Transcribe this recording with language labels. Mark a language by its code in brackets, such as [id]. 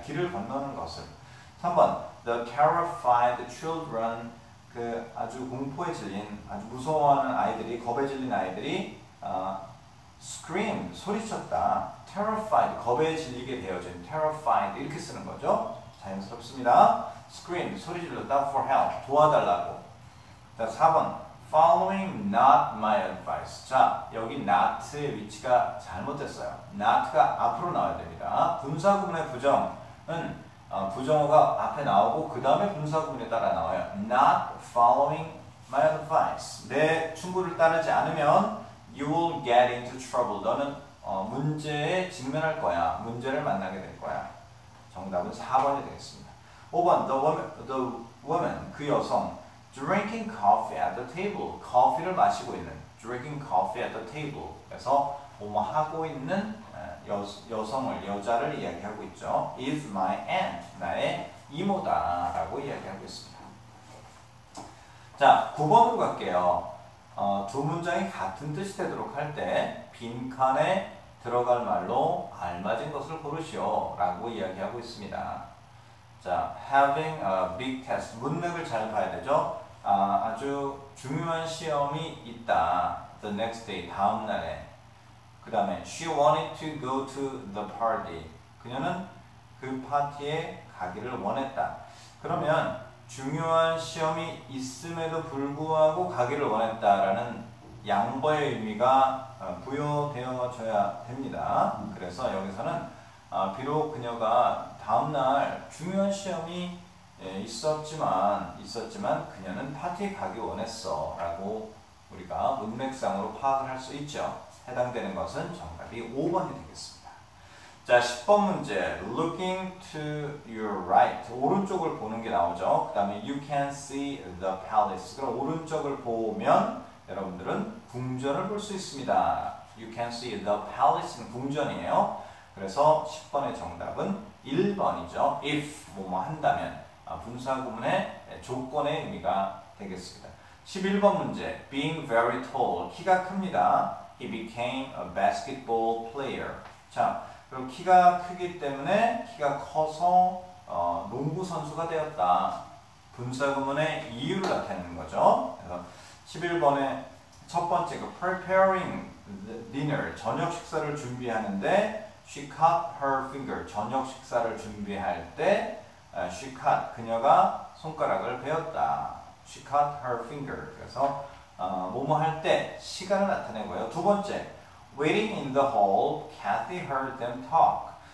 [ko] 길을 건너는 것을. 3번, [en] the terrified children, [ko] 그 아주 공포에 질린, 아주 무서워하는 아이들이, 겁에 질린 아이들이, scream, 소리쳤다. terrified, 겁에 질리게 되어진, terrified, 이렇게 쓰는 거죠. 자연스럽습니다. scream, 소리 질렀다, [en] for help, [ko] 도와달라고. 자, 4번, [en] following not my advice. [ko] 자, 여기 not의 위치가 잘못됐어요. not가 앞으로 나와야 됩니다. 분사구문의 부정은 부정어가 앞에 나오고 그 다음에 분사구문에 따라 나와요. [en] Not following my advice. [ko] 내 충고를 따르지 않으면 [en] you will get into trouble. [ko] 너는 문제에 직면할 거야. 문제를 만나게 될 거야. 정답은 4번이 되겠습니다. [en] 5번, the woman, [ko] 그 여성, [en] drinking coffee at the table. [ko] 커피를 마시고 있는, [en] drinking coffee at the table. [ko] 그래서 뭐뭐하고 있는 여자를 이야기하고 있죠. [en] Is my aunt, [ko] 나의 이모다라고 이야기하고 있습니다. 자, 9번으로 갈게요. 두 문장이 같은 뜻이 되도록 할 때, 빈칸에 들어갈 말로 알맞은 것을 고르시오 라고 이야기하고 있습니다. 자, [en] having a big test. [ko] 문맥을 잘 봐야 되죠. 아주 중요한 시험이 있다. [en] The next day, [ko] 다음 날에. 그 다음에 [en] she wanted to go to the party. [ko] 그녀는 그 파티에 가기를 원했다. 그러면 중요한 시험이 있음에도 불구하고 가기를 원했다라는 양보의 의미가 부여되어져야 됩니다. 그래서 여기서는 비록 그녀가 다음 날 중요한 시험이 있었지만 그녀는 파티에 가기 원했어라고 우리가 문맥상으로 파악을 할수 있죠. 해당되는 것은 정답이 5번이 되겠습니다. 자, 10번 문제. [en] Looking to your right. [ko] 오른쪽을 보는 게 나오죠. 그 다음에 [en] You can see the palace. [ko] 그럼 오른쪽을 보면 여러분들은 궁전을 볼수 있습니다. [en] You can see the palace [ko] 는 궁전이에요. 그래서 10번의 정답은 1번이죠. If 뭐뭐 한다면 분사구문의 조건의 의미가 되겠습니다. 11번 문제. [en] Being very tall. [ko] 키가 큽니다. [en] He became a basketball player. [ko] 자, 그럼 키가 크기 때문에 키가 커서 농구 선수가 되었다. 분사구문의 이유를 나타내는 거죠. 그래서 11번의 첫 번째 그 [en] preparing dinner [ko] 저녁 식사를 준비하는데 [en] she cut her finger [ko] 저녁 식사를 준비할 때 [en] she cut [ko] 그녀가 손가락을 베었다. [en] She cut her finger. [ko] 그래서 뭐뭐 할 때 시간을 나타내고요. 두 번째 [en] waiting in the hall, Kathy heard them talk.